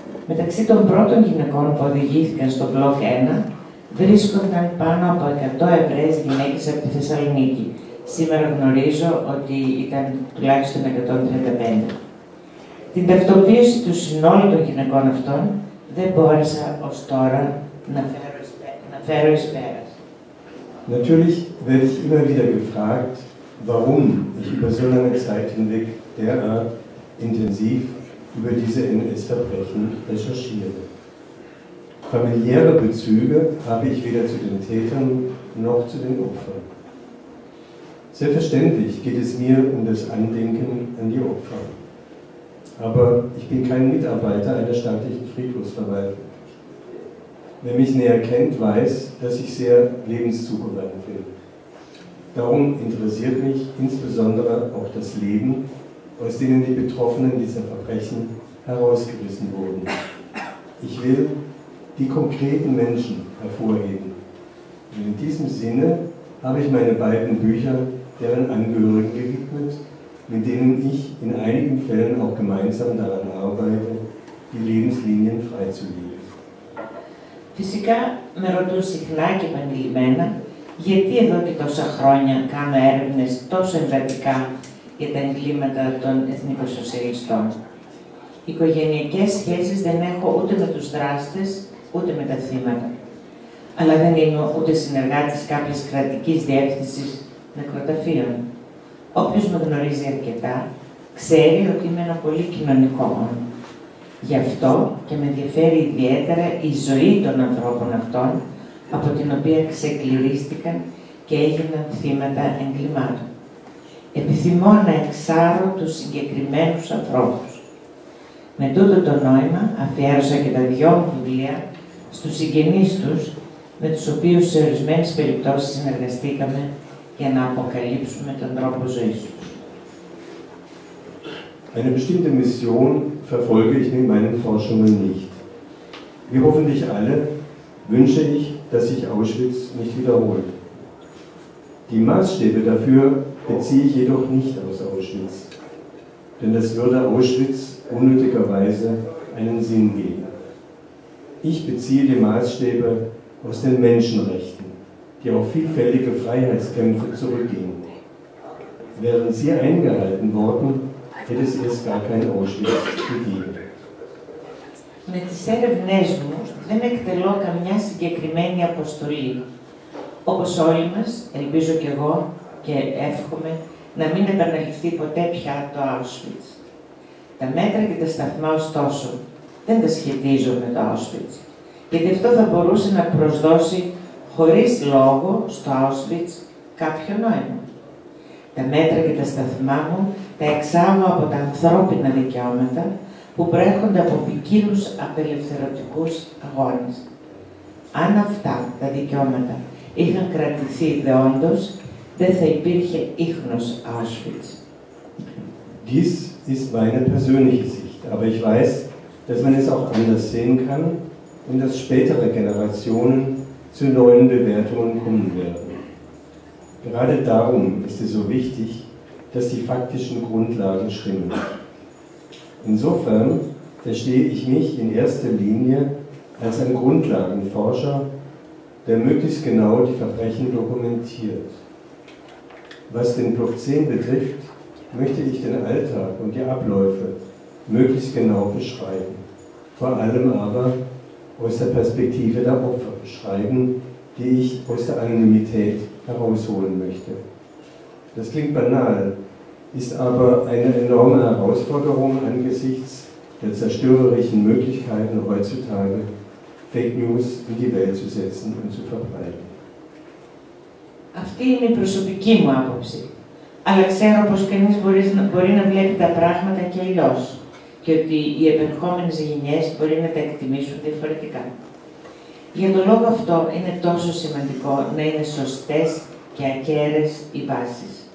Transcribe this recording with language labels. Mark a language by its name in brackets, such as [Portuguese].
[Greek] Μεταξύ των πρώτων γυναικών που οδηγήθηκαν στο Block 1, βρίσκονταν πάνω από 100 Εβραίες γυναίκες από τη Θεσσαλονίκη. Σήμερα γνωρίζω ότι ήταν τουλάχιστον 135. Την ταυτοποίηση του συνόλου των γυναικών αυτών δεν μπόρεσα ως τώρα να φέρω εις πέρας. [German] Natürlich werde ich immer wieder gefragt, warum ich über so lange Zeit hinweg derart intensiv über diese NS-Verbrechen recherchiere. Familiäre Bezüge habe ich weder zu den Tätern noch zu den Opfern. Selbstverständlich geht es mir um das Andenken an die Opfer. Aber ich bin kein Mitarbeiter einer staatlichen Friedhofsverwaltung. Wer mich näher kennt, weiß, dass ich sehr lebenszugewandt bin. Darum interessiert mich insbesondere auch das Leben, aus denen die Betroffenen dieser Verbrechen herausgerissen wurden. Ich will die konkreten Menschen hervorheben. Und in diesem Sinne habe ich meine beiden Bücher deren Angehörigen gewidmet, mit denen ich in einigen Fällen auch gemeinsam daran arbeite, die Lebenslinien freizulegen. [Greek] Φυσικά, με ρωτούν συχνά και επανειλημμένα, γιατί εδώ και τόσα χρόνια κάνω έρευνες τόσο εμβατικά για τα εγκλήματα των εθνικοσοσιαλιστών. Οικογενειακές σχέσεις δεν έχω ούτε με τους δράστες, ούτε με τα θύματα. αλλά δεν είμαι ούτε συνεργάτης κάποιας κρατικής διεύθυνσης νεκροταφείων. Όποιος με γνωρίζει αρκετά, ξέρει ότι είμαι ένα πολύ κοινωνικό όνομα. Γι' αυτό και με ενδιαφέρει ιδιαίτερα η ζωή των ανθρώπων αυτών, από την οποία ξεκληρίστηκαν και έγιναν θύματα εγκλημάτων. Επιθυμώ να εξάρω τους συγκεκριμένους ανθρώπους. Με τούτο το νόημα αφιέρωσα και τα δυο βιβλία στους συγγενείς τους, με τους οποίους σε ορισμένες περιπτώσεις συνεργαστήκαμε για να αποκαλύψουμε τον τρόπο ζωής τους. [German] Eine bestimmte Mission verfolge ich mit meinen Forschungen nicht. Wie hoffentlich alle wünsche ich, dass sich Auschwitz nicht wiederholt. Die Maßstäbe dafür beziehe ich jedoch nicht aus Auschwitz, denn das würde Auschwitz unnötigerweise einen Sinn geben. Ich beziehe die Maßstäbe aus den Menschenrechten, die auf vielfältige Freiheitskämpfe zurückgehen. Wären sie eingehalten worden, hätte es erst gar kein Auschwitz gegeben. [Greek] Με τις έρευνές μου δεν εκτελώ καμιά συγκεκριμένη αποστολή. Όπως όλοι μας, ελπίζω κι εγώ και εύχομαι να μην επαναληφθεί ποτέ πια το Auschwitz. Τα μέτρα και τα σταθμά, ωστόσο, δεν τα σχετίζω με το Auschwitz, γιατί αυτό θα μπορούσε να προσδώσει χωρίς λόγο στο Auschwitz κάποιο νόημα. Τα μέτρα και τα σταθμά μου τα εξάγω από τα ανθρώπινα δικαιώματα, που προέρχονται από ποικίλους απελευθερωτικούς αγώνες. Αν αυτά τα δικαιώματα είχαν κρατηθεί δε όντως, δεν θα υπήρχε ίχνος Auschwitz. [German] Dies ist meine persönliche Sicht, aber ich weiß, dass man es auch anders sehen kann und dass spätere Generationen zu neuen Bewertungen kommen werden. Gerade darum ist es so wichtig, dass die faktischen Grundlagen stimmen. Insofern verstehe ich mich in erster Linie als ein Grundlagenforscher, der möglichst genau die Verbrechen dokumentiert. Was den Block 10 betrifft, möchte ich den Alltag und die Abläufe möglichst genau beschreiben, vor allem aber aus der Perspektive der Opfer beschreiben, die ich aus der Anonymität herausholen möchte. Das klingt banal, ist aber eine enorme Herausforderung angesichts der zerstörerischen Möglichkeiten heutzutage, Fake News in die Welt zu setzen und zu verbreiten. [Greek] Αυτή είναι η προσωπική μου άποψη. Αλλά ξέρω πως κανείς μπορεί να βλέπει τα πράγματα και αλλιώς και ότι οι επερχόμενες γενιές μπορεί να τα εκτιμήσουν διαφορετικά. Για τον λόγο αυτό είναι τόσο σημαντικό να είναι σωστές και ακέραιες οι βάσεις.